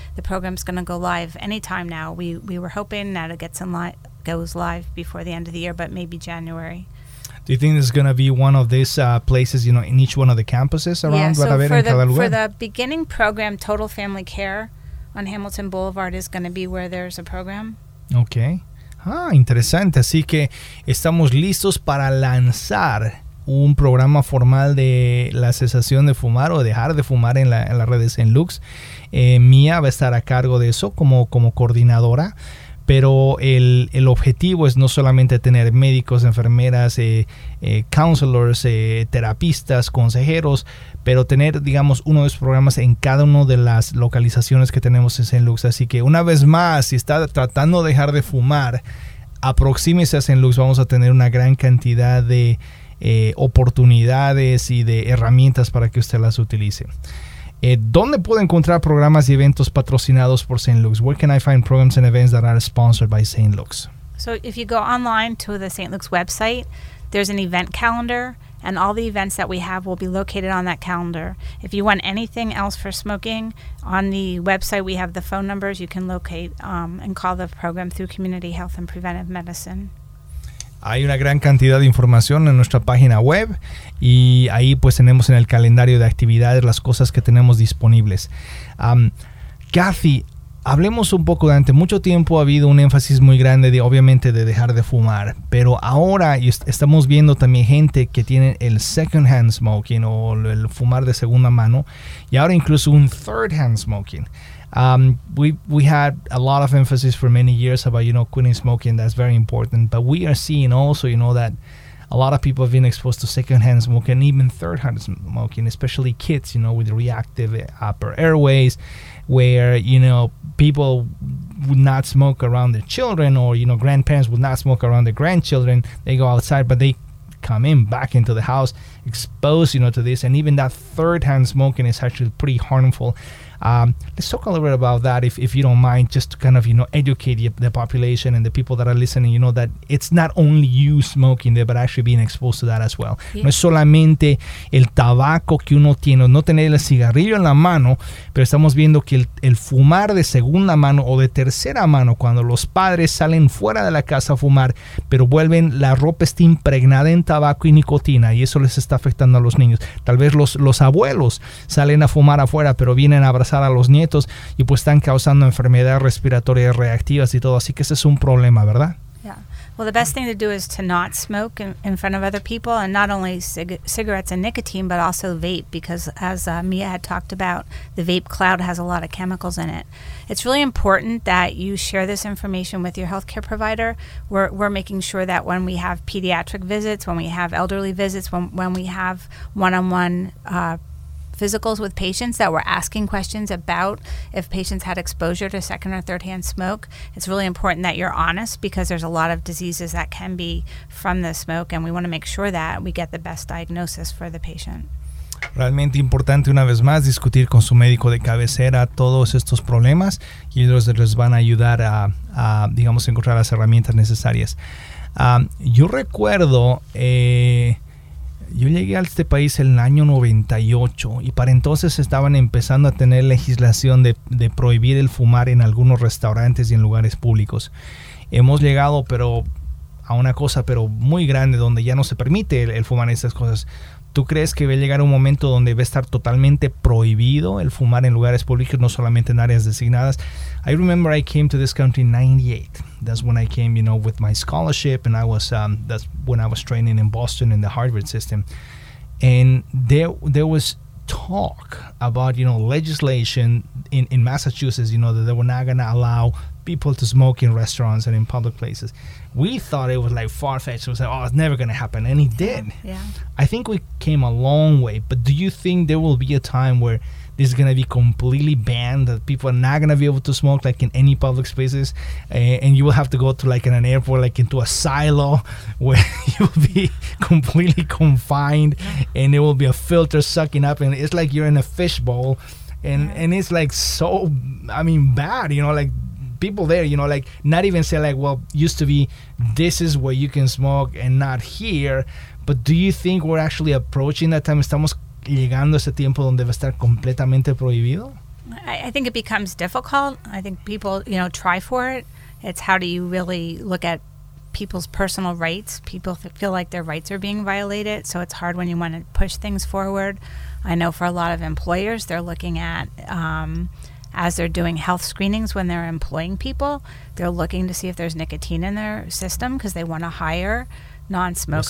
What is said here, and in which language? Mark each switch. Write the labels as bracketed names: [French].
[English] The program's going to go live anytime now. We were hoping that it goes live before the end of the year, but maybe January. Do you think it's going to be one of these places, you know, in each one of the campuses around? Yeah, so for the beginning program, Total Family Care on Hamilton Boulevard is going to be where there's a program. Okay. [Spanish] Ah, interesante. Así que estamos listos para lanzar un programa formal de la cesación de fumar o dejar de fumar en la red de St. Luke's. Mia va a estar a cargo de eso como coordinadora. Pero el objetivo es no solamente tener médicos, enfermeras, [English] counselors, [Spanish] terapistas, consejeros, pero tener, digamos, uno de esos programas en cada una de las localizaciones que tenemos en St. Luke's. Así que una vez más, si está tratando de dejar de fumar, aproxímese a St. Luke's. Vamos a tener una gran cantidad de oportunidades y de herramientas para que usted las utilice. ¿Dónde puedo encontrar programas y eventos patrocinados por St. Luke's? [English] Where can I find programs and events that are sponsored by St. Luke's? So if you go online to the St. Luke's website, there's an event calendar, and all the events that we have will be located on that calendar. If you want anything else for smoking, on the website we have the phone numbers. You can locate and call the program through Community Health and Preventive Medicine. [Spanish] Hay una gran cantidad de información en nuestra página web y ahí pues tenemos en el calendario de actividades las cosas que tenemos disponibles. Kathy, hablemos un poco. Durante mucho tiempo ha habido un énfasis muy grande de dejar de fumar, pero ahora estamos viendo también gente que tiene el [English] second hand smoking [Spanish] o el fumar de segunda mano y ahora incluso un [English] third hand smoking. We had a lot of emphasis for many years about, you know, quitting smoking. That's very important. But we are seeing also, you know, that a lot of people have been exposed to secondhand smoking, even thirdhand smoking, especially kids, you know, with reactive upper airways, where, you know, people would not smoke around their children, or, you know, grandparents would not smoke around their grandchildren. They go outside, but they come in back into the house exposed, you know, to this. And even that thirdhand smoking is actually pretty harmful. Let's talk a little bit about that, if you don't mind, just to kind of, you know, educate the population and the people that are listening, you know, that it's not only you smoking there, but actually being exposed to that as well. Yeah. [Spanish] No es solamente el tabaco que uno tiene, no tener el cigarrillo en la mano, pero estamos viendo que el fumar de segunda mano o de tercera mano, cuando los padres salen fuera de la casa a fumar, pero vuelven, la ropa está impregnada en tabaco y nicotina, y eso les está afectando a los niños. Tal vez los abuelos salen a fumar afuera, pero vienen a abrazar a los nietos y pues están causando enfermedades respiratorias reactivas y todo, así que ese es un problema, ¿verdad? [English] Yeah. Well, the best thing to do is to not smoke in front of other people, and not only cigarettes and nicotine, but also vape, because as Mia had talked about, the vape cloud has a lot of chemicals in it. It's really important that you share this information with your healthcare provider. We're making sure that when we have pediatric visits, when we have elderly visits, when we have one-on-one physicals with patients, that we're asking questions about if patients had exposure to second or third hand smoke. It's really important that you're honest, because there's a lot of diseases that can be from the smoke, and we want to make sure that we get the best diagnosis for the patient. [Spanish] Realmente importante, una vez más, discutir con su médico de cabecera todos estos problemas, y ellos les van a ayudar a digamos, encontrar las herramientas necesarias. Yo recuerdo, yo llegué a este país en el año 98, y para entonces estaban empezando a tener legislación de prohibir el fumar en algunos restaurantes y en lugares públicos. Hemos llegado a una cosa muy grande, donde ya no se permite el fumar en estas cosas. ¿Tú crees que va a llegar un momento donde va a estar totalmente prohibido el fumar en lugares públicos, no solamente en áreas designadas? [English] I remember I came to this country in 98. That's when I came, you know, with my scholarship, and I was that's when I was training in Boston in the Harvard system. And there was talk about, you know, legislation in Massachusetts, you know, that they were not going to allow people to smoke in restaurants and in public places. We thought it was like far-fetched. We said, oh, it's never going to happen. And it did. Yeah. I think we came a long way. But do you think there will be a time where this is going to be completely banned, that people are not going to be able to smoke like in any public spaces, and you will have to go to like in an airport, like into a silo where you will be completely confined, and there will be a filter sucking up, and it's like you're in a fishbowl, and it's like so, I mean, bad, you know, like, people there, you know, like, not even say like, well, used to be this is where you can smoke and not here. But do you think we're actually approaching that time? [Spanish] Estamos llegando a ese tiempo donde va a estar completamente prohibido? [English] I think it becomes difficult. I think people, you know, try for it. It's how do you really look at people's personal rights? People feel like their rights are being violated, so it's hard when you want to push things forward. I know for a lot of employers, they're looking at as they're doing health screenings when they're employing people, they're looking to see if there's nicotine in their system, because they want to hire non-smokers.